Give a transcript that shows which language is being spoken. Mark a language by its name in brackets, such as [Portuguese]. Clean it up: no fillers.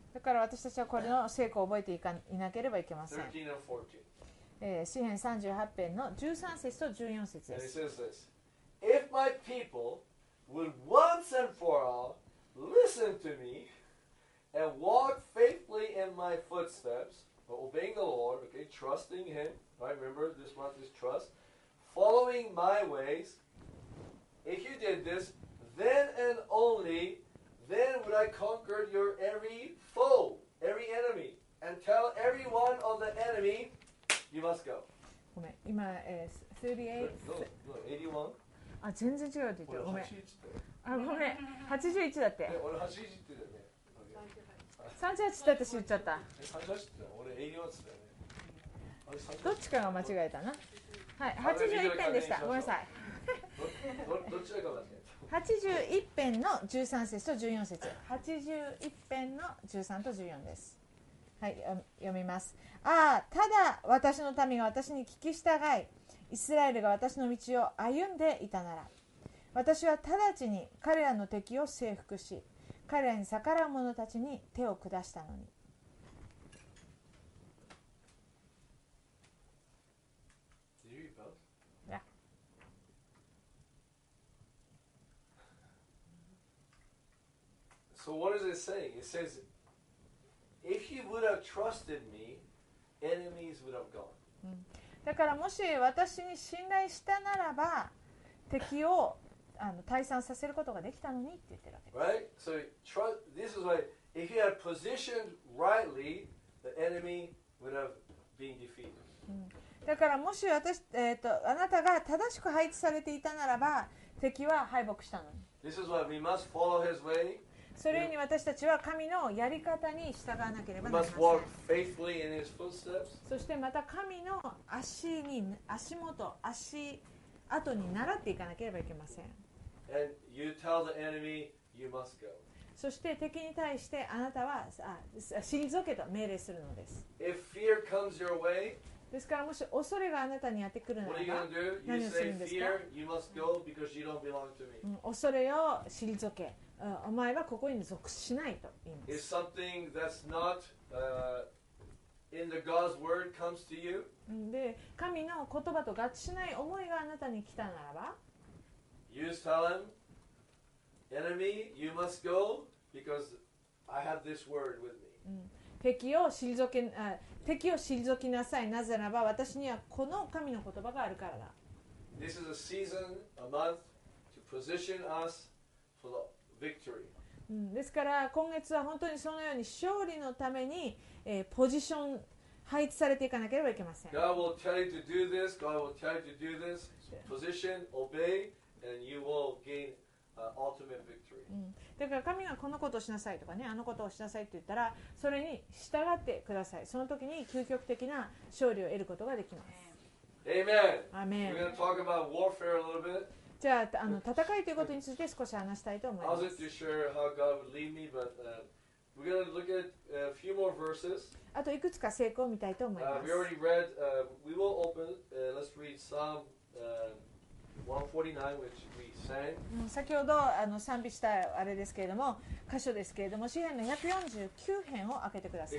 [Japanese] だから私たちはこれの聖句を覚えていかいなければいけません。 [English] 13 and 14. [Japanese] 詩篇38編の13節と14節です。 [English] And it says this, If my people would once and for all listen to me and walk faithfully in my footsteps, obeying the Lord, okay, trusting him, right, remember this month is trust, following my ways, if you did this, then and only then would I conquer your every foe, every enemy, and tell everyone of the enemy, You must go. [Japanese] ごめん、今、 38? No, 81? あ、全然違うって言ってる。ごめん。あ、ごめん。81だって。俺81ってだね。 38って言っちゃった。え、38って言ったの？俺81ってだね。どっちかが間違えたな。はい、81編でした。ごめんなさい。どっちかが間違えた。81編の13節と14節。 81編の13と14です。はい、読みます。ああ、ただ私の民が私に聞き従い、イスラエルが私の道を歩んでいたなら、私は直ちに彼らの敵を征服し、彼らに逆らう者たちに手を下したのに。 [English] So what is it saying? It says,If you would have trusted me, enemies would have gone. [Japanese] だからもし私に信頼したならば敵を退散させることができたのにって言ってるわけです。 [English] Right? So trust, this is why if you had positioned rightly, the enemy would have been defeated. [Japanese] だからもし私、あなたが正しく配置されていたならば敵は敗北したのに。 [English] This is why we must follow his way. [Japanese] それに私たちは神のやり方に従わなければなりません。 [English] We must walk faithfully in his footsteps. [Japanese] そしてまた神の足に足元足跡に習っていかなければいけません。 [English] And you tell the enemy, you must go. [Japanese] そして敵に対してあなたは退けと命令するのです。 [English] If fear comes your way, [Japanese] ですからもし恐れがあなたにやってくるならば [English] What are you gonna do? [Japanese] 何をするんですか。 [English] You say fear, you must go because you don't belong to me.、 [Japanese] 恐れよ退けお前はここに属しないと言います。 [English] If something that's not in the God's word comes to you, [Japanese] で神の言葉と合致しない思いがあなたに来たならば、 [English] You tell him, enemy, you must go because I have this word with me. [Japanese] 敵を退きなさい。なぜならば私にはこの神の言葉があるからだ。 [English] This is a season, a month to position us for the victory. [Japanese] ですから今月は本当にそのように勝利のためにポジション配置されていかなければいけません。 [English] God will tell you to do this. God will tell you to do this. Position, obey, and you will gain ultimate victory. [Japanese] だから神がこのことをしなさいとかね、あのことをしなさいって言ったら、それに従ってください。その時に究極的な勝利を得ることができます。 [English] Amen. Amen. We're going to talk about warfare a little bit. [Japanese] じゃあ、 戦いということについて少し話したいと思います。 [English] I'll let you share how God would lead me, but we're going to look at a few more verses. [Japanese] あといくつか聖句を見たいと思います。 [English] We already read, we will open, let's read Psalm 149, which we sang. [Japanese] 先ほど賛美したあれですけれども、箇所ですけれども、詩編の149編を開けてください。